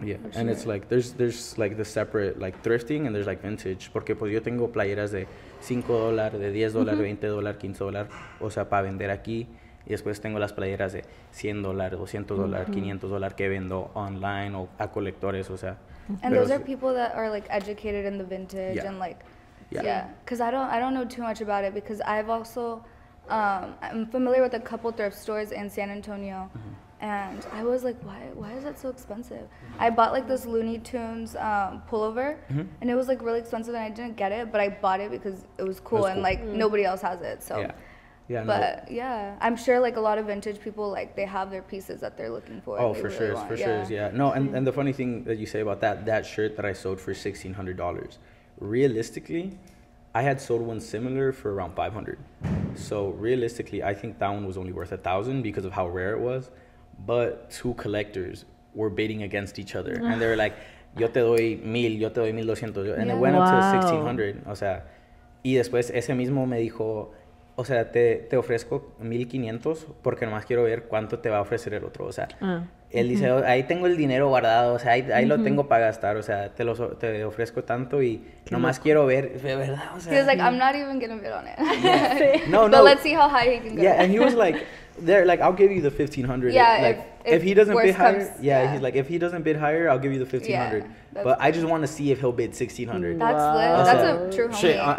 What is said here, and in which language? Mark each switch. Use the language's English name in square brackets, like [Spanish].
[English] Yeah, and it's like there's like the separate like thrifting and there's like vintage. [Spanish] Porque pues yo tengo playeras de $5, de $10, $20, $15, o sea, para vender aquí. Y después tengo las playeras de $100, $200, $500 que vendo online o a colectores, o sea. [English] And those are people that are like educated in the vintage and like, because I don't know too much about it because I've also I'm familiar with a couple thrift stores in San Antonio. Mm-hmm. And I was like, why is that so expensive? I bought like this Looney Tunes pullover and it was like really expensive and I didn't get it, but I bought it because it was cool. That's and cool. like nobody else has it, so. Yeah, I'm sure like a lot of vintage people, like they have their pieces that they're looking for. Oh, for really sure, for sure, yeah. No, and the funny thing that you say about that shirt that I sold for $1,600, realistically, I had sold one similar for around $500. So realistically, I think that one was only worth $1,000 because of how rare it was. But two collectors were bidding against each other. And they were like, yo te doy 1,000, yo te doy 1,200. And it went up to 1,600. [Spanish] O sea, y después ese mismo me dijo, o sea, te ofrezco 1,500 porque nomás quiero ver cuánto te va a ofrecer el otro. O sea, él dice, ahí tengo el dinero guardado. O sea, ahí lo tengo para gastar. O sea, te ofrezco tanto y nomás quiero ver. De verdad, o sea. [English] He was like, I'm not even going to bid on it. Yeah. No, but no. But let's see how high he can go. Yeah, and he was like... They're like, I'll give you the 1,500. Yeah, like, if he doesn't bid higher, he's like, if he doesn't bid higher, I'll give you the 1,500. Yeah, but cool. I just want to see if he'll bid 1,600. That's lit. That's a true homie.